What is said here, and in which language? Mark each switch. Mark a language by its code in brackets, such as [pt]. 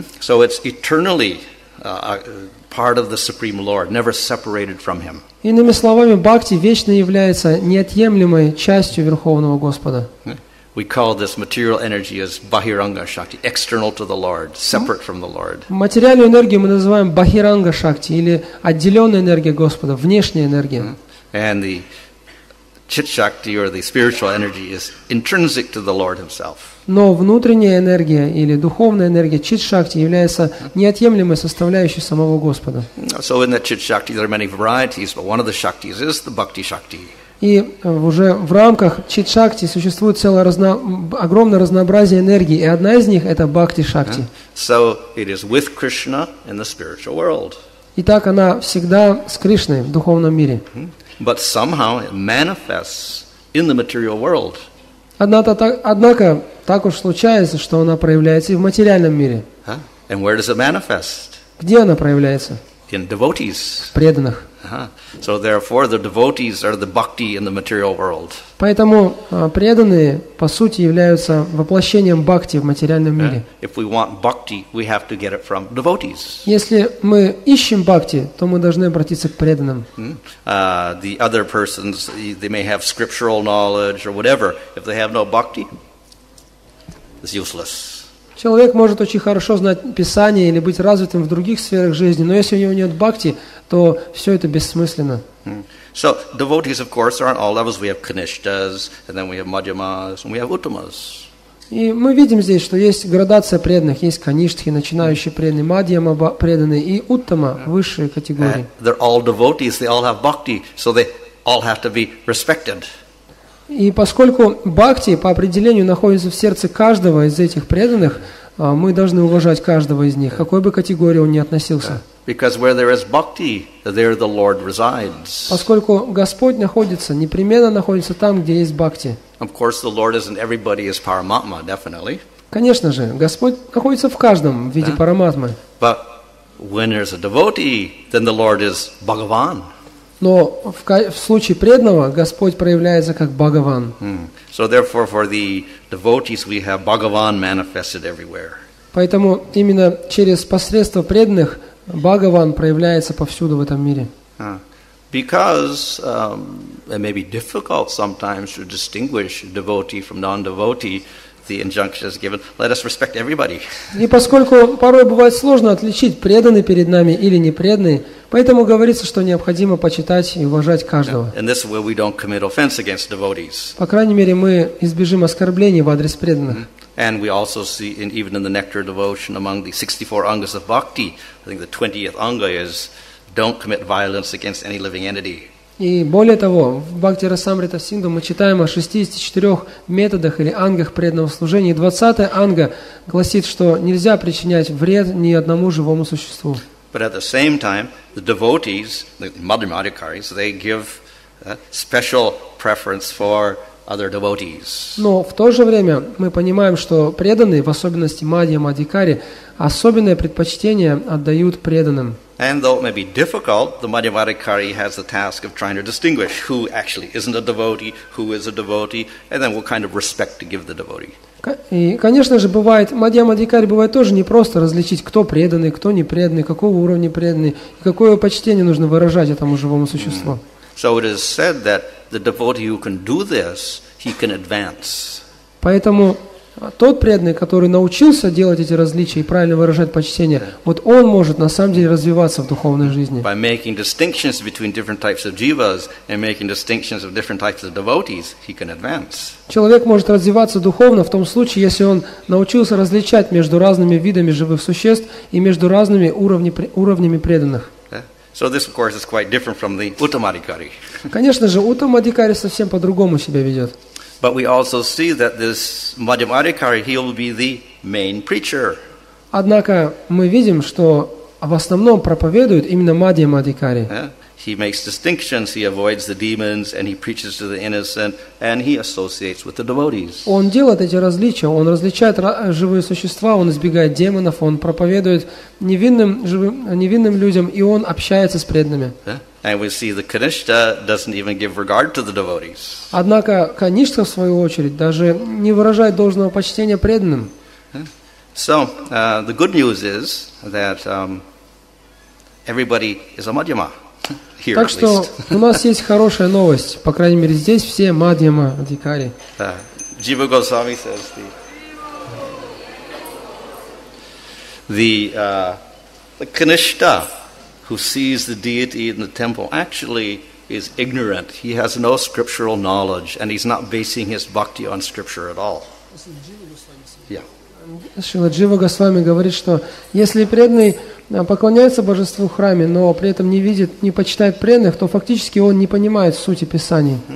[en] So it's eternally part of the Supreme Lord, never separated from Him. [ru] Иными словами, бхакти вечно является неотъемлемой частью Верховного Господа. [en] We call this material energy as bahiranga shakti, external to the Lord, separate from the Lord. [ru] Материальную энергию мы называем бахиранга шакти или отделенная энергия Господа, внешняя энергия. [en] And the chit shakti or the spiritual energy is intrinsic to the Lord Himself. [ru] Но внутренняя энергия или духовная энергия чит шакти является неотъемлемой составляющей самого Господа. [en] So in that chit shakti there are many varieties, but one of the shaktis is the bhakti shakti. [ru] И уже в рамках чит-шакти существует целое огромное разнообразие энергии, и одна из них это бхакти-шакти. [en] So it is with Krishna in the spiritual world. [ru] И так она всегда с Кришной в духовном мире. [en] But somehow it manifests in the material world. [ru] Однако так уж случается, что она проявляется и в материальном мире. [en] And where does it manifest? [ru] Где она проявляется? [en] In devotees. [ru] В преданных. [en] So therefore, the devotees are the bhakti in the material world. [ru] Поэтому преданные по сути являются воплощением бхакти в материальном мире. [en] If we want bhakti, we have to get it from devotees. [ru] Если мы ищем бхакти, то мы должны обратиться к преданным. [en] The other persons, they may have scriptural knowledge or whatever. If they have no bhakti, it's useless. [ru] Человек может очень хорошо знать Писание или быть развитым в других сферах жизни, но если у него нет бхакти, то все это бессмысленно. [en] So, devotees, of course, are on all levels. We have kanishtas, and then we have madhyamas, and we have uttamas. [ru] И мы видим здесь, что есть градация преданных. Есть каништхи, начинающие преданные, мадьяма преданные и уттама, высшие категории. [en] They're all devotees, they all have bhakti, so they all have to be respected. [ru] И поскольку бхакти по определению находится в сердце каждого из этих преданных, мы должны уважать каждого из них, какой бы категории он ни относился. [en] Because where there is bhakti, there the Lord resides. [ru] Поскольку Господь находится, непременно находится там, где есть бхакти. [en] Of course, the Lord isn't everybody is Paramatma, definitely. [ru] Конечно же, Господь находится в каждом в виде Параматмы. [en] But when there's a devotee, then the Lord is Bhagavan. [ru] Но в случае преданного Господь проявляется как Бхагаван. [en] So therefore, for the devotees, we have Bhagavan manifested everywhere. [ru] Поэтому именно через посредство преданных Бхагаван проявляется повсюду в этом мире. [en] Because it may be difficult sometimes to distinguish devotee from non-devotee. The injunction is given. Let us respect everybody. [ru] И поскольку порой бывает сложно отличить преданный перед нами или непреданный, поэтому говорится, что необходимо почитать и уважать каждого. [en] And this way we don't commit offense against devotees. [ru] По крайней мере, мы избежим оскорблений в адрес преданных. [en] And we also see, even in the nectar devotion, among the 64 angas of bhakti, I think the 20th anga is don't commit violence against any living entity. [ru] И более того, в Бхакти-расамрита Синду мы читаем о 64 методах или ангах преданного служения. И 20-я анга гласит, что нельзя причинять вред ни одному живому существу. [en] But at the same time, the devotees, the madhyamadhikaris, they give special preference for other devotees. [ru] Но в то же время мы понимаем, что преданные, в особенности мадхьямадхикари, особенное предпочтение отдают преданным. [en] And though it may be difficult, the madhyamadhikari has the task of trying to distinguish who actually isn't a devotee, who is a devotee, and then what kind of respect to give the devotee. [ru] И, конечно же, бывает, мадхьямадхикари бывает тоже непросто различить, кто преданный, кто не преданный, какого уровня преданный, и какое почтение нужно выражать этому живому существу. [en] So it is said that the devotee who can do this, he can advance. [ru] Поэтому тот преданный, который научился делать эти различия и правильно выражать почтение, вот он может на самом деле развиваться в духовной жизни. [en] By making distinctions between different types of jivas and making distinctions of different types of devotees, he can advance. [ru] Человек может развиваться духовно в том случае, если он научился различать между разными видами живых существ и между разными уровнями преданных. [en] So this, of course, is quite different from the Uttamadhikari. [ru] Конечно же, Уттамадхикари совсем по-другому себя ведет. [en] But we also see that this Madhyamadhikari, he will be the main preacher. [ru] Однако мы видим, что в основном проповедуют именно Мадхьямадхикари. [en] He makes distinctions, he avoids the demons, and he preaches to the innocent, and he associates with the devotees. [ru] Он делает эти различия, он различает живые существа, он избегает демонов, он проповедует невинным людям, и он общается с преданными. [en] And we see the Kanishtha doesn't even give regard to the devotees. [ru] Однако Каништа, в свою очередь, даже не выражает должного почтения преданным. [en] So, the good news is that everybody is a Madhyama. Here, [ru] так что у нас есть хорошая новость. По крайней мере, здесь все мадьяма адикари. [en] Jiva Goswami says the Kanishta who sees the deity in the temple actually is ignorant. He has no scriptural knowledge and he's not basing his bhakti on scripture at all. [ru] Джива Госвами говорит, что если преданный поклоняется божеству в храме, но при этом не видит, не почитает преданных, то фактически он не понимает сути Писаний.